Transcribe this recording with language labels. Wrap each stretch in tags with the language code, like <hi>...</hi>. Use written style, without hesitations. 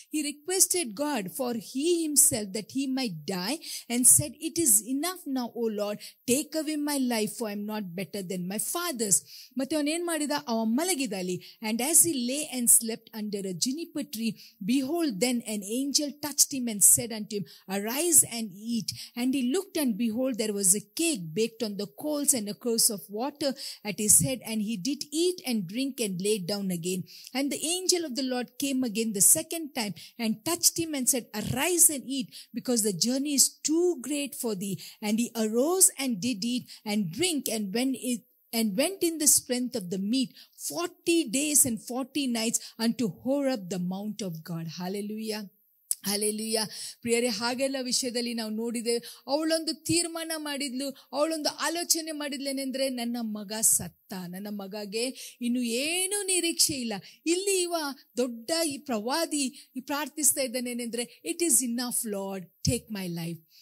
<en>He requested God for he himself that he my die and said, it is enough now O Lord, take away my life, I am not better than my fathers.</en> <kn>ಮತ್ತೆ ಅವನೇನ್ ಮಾಡಿದ, ಅವ ಮಲಗಿದ ಅಲ್ಲಿ.</kn> <en>And as he lay and slept under a juniper tree, behold then an angel touched him and said and to him, arise and eat. And he looked and behold there was a cake baked on the coals and a course of water at his head, and he did eat and drink and lay down again. And the angel of the Lord came again the second time and touched him and said, arise and eat, because the journey is too great for thee. And he arose and did eat and drink and went in the strength of the meat 40 days and 40 nights unto Horeb the mount of God. Hallelujah.</en> <kn>ಅಲ್ಲೆಲ್ಲಿಯ ಪ್ರಿಯರೇ, ಹಾಗೆಲ್ಲ ವಿಷಯದಲ್ಲಿ ನಾವು ನೋಡಿದ್ದೇವೆ. ಅವಳೊಂದು ತೀರ್ಮಾನ ಮಾಡಿದ್ಲು, ಅವಳೊಂದು ಆಲೋಚನೆ ಮಾಡಿದ್ಲೇನೆಂದ್ರೆ, ನನ್ನ ಮಗ ಸತ್ತ, ನನ್ನ ಮಗಗೆ ಇನ್ನು ಏನು ನಿರೀಕ್ಷೆ ಇಲ್ಲ. ಇಲ್ಲಿ ಇವ ದೊಡ್ಡ ಈ ಪ್ರವಾದಿ ಪ್ರಾರ್ಥಿಸ್ತಾ ಇದ್ದಾನೇನೆಂದ್ರೆ,</kn> <en>It is enough Lord, take my life.</en>